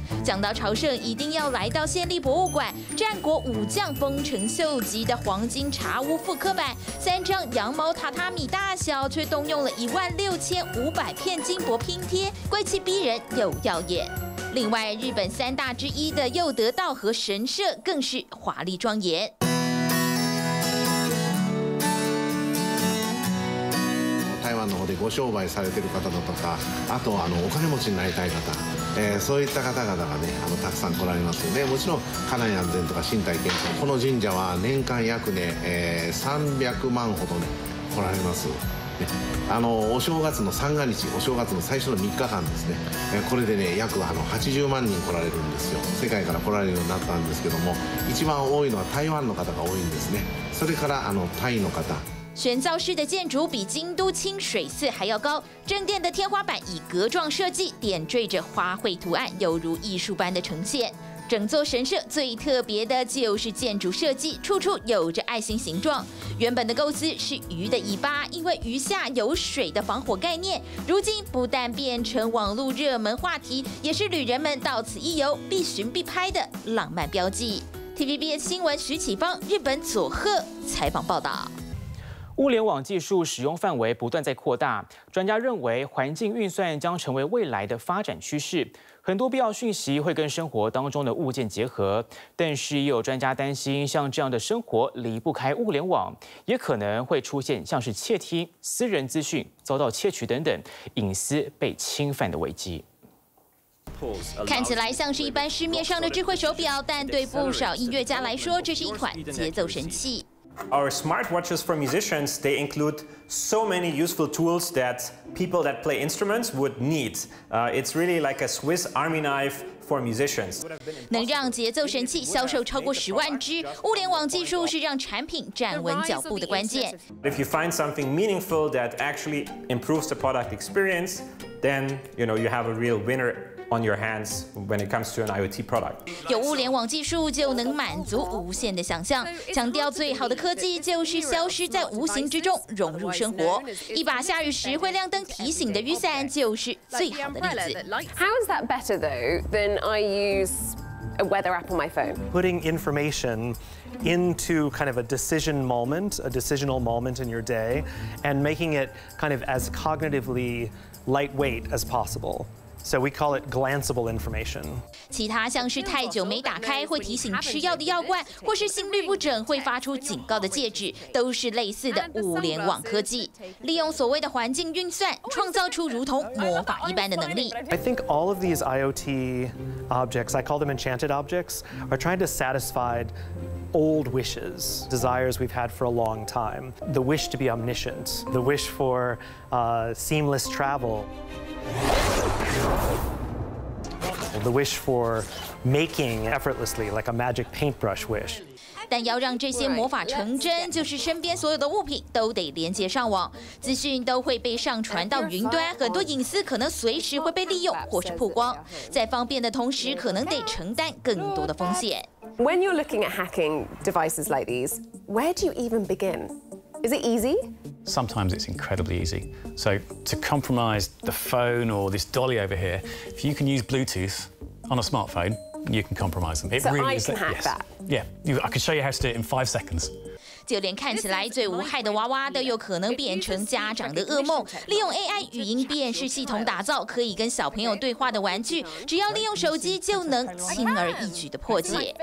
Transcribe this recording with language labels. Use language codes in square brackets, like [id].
[zh] 讲到朝圣，一定要来到县立博物馆，战国武将丰臣秀吉的黄金茶屋复刻版，3张羊毛榻榻米大小，却动用了16500片金箔拼贴，贵气逼人又耀眼。另外，日本三大之一的右德道和神社更是华丽庄严。 [ja] 台湾の方でご商売されてる方だとか、あとお金持ちになりたい方。そういった方々がね、たくさん来られますので、もちろん家内安全とか身体健康、この神社は年間約ね、300万ほどね、来られます。お正月の三が日、お正月の最初の3日間ですね、これでね、約80万人来られるんですよ。世界から来られるようになったんですけども、一番多いのは台湾の方が多いんですね。それからタイの方。 [zh] 玄奘寺的建筑比京都清水寺还要高，正殿的天花板以格状设计，点缀着花卉图案，犹如艺术般的呈现。整座神社最特别的就是建筑设计，处处有着爱心形状。原本的构思是鱼的尾巴，因为鱼下有水的防火概念，如今不但变成网络热门话题，也是旅人们到此一游必寻必拍的浪漫标记。 TVBS 新闻徐启邦，日本佐贺采访报道。物联网技术使用范围不断在扩大，专家认为环境运算将成为未来的发展趋势，很多必要讯息会跟生活当中的物件结合，但是也有专家担心像这样的生活离不开物联网，也可能会出现像是窃听、私人资讯遭到窃取等等隐私被侵犯的危机。看起来像是一般市面上的智慧手表，但对不少音乐家来说，这是一款节奏神器。 [en] Our smartwatches for musicians, they include so many useful tools that people that play instruments would need. It's really like a Swiss Army knife for musicians. [zh] 能让节奏神器销售超过10万只，物联网技术是让产品站稳脚步的关键。 [en] If you find something meaningful that actually improves the product experience, then you know you have a real winner. On your hands when it comes to an IoT product. [zh] 有物联网技术就能满足无限的想象，强调最好的科技就是消失在无形之中，融入生活。一把下雨时会亮灯提醒的雨伞就是最好的例子。 [en] How is that better though than I use a weather app on my phone? Putting information into kind of a decision moment, a decisional moment in your day, and making it kind of as cognitively lightweight as possible. So we call it glanceable information. [zh] 其他像是太久没打开会提醒吃药的药罐，或是心率不整会发出警告的戒指，都是类似的物联网科技，利用所谓的环境运算，创造出如同魔法一般的能力。 [en] I think all of these IoT objects, I call them enchanted objects, are trying to satisfy old wishes, desires we've had for a long time. The wish to be omniscient, the wish for seamless travel. The wish for making effortlessly, like a magic paintbrush wish. [zh] 但要让这些魔法成真，就是身边所有的物品都得连接上网，资讯都会被上传到云端，很多隐私可能随时会被利用或是曝光。在方便的同时，可能得承担更多的风险。 [en] When you're looking at hacking devices like these, where do you even begin? Is it easy? Sometimes it's incredibly easy. So to compromise the phone or this dolly over here, if you can use Bluetooth on a smartphone, you can compromise them. It so really I is can that, hack yes. that? Yeah, I can show you how to do it in 5 seconds. [zh] 就连看起来最无害的娃娃都有可能变成家长的噩梦，利用 AI 语音辨识系统打造可以跟小朋友对话的玩具，只要利用手机就能轻而易举的破解。